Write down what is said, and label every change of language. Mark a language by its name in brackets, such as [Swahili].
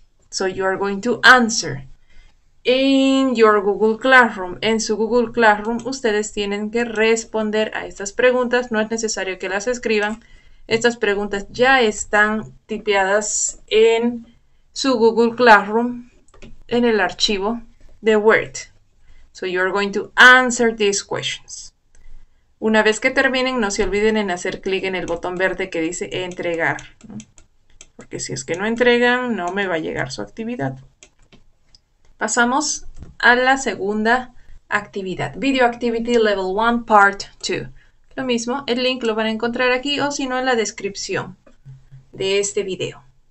[English] So you are going to answer. In your Google Classroom, [Spanish] en su Google Classroom, ustedes tienen que responder a estas preguntas. No es necesario que las escriban. Estas preguntas ya están tipeadas en su Google Classroom, en el archivo de Word. [English] So you are going to answer these questions. [Spanish] Una vez que terminen, no se olviden en hacer clic en el botón verde que dice entregar, ¿no? Porque si es que no entregan, no me va a llegar su actividad. Pasamos a la segunda actividad. Video Activity Level 1 Part 2. Lo mismo, el link lo van a encontrar aquí o si no en la descripción de este video.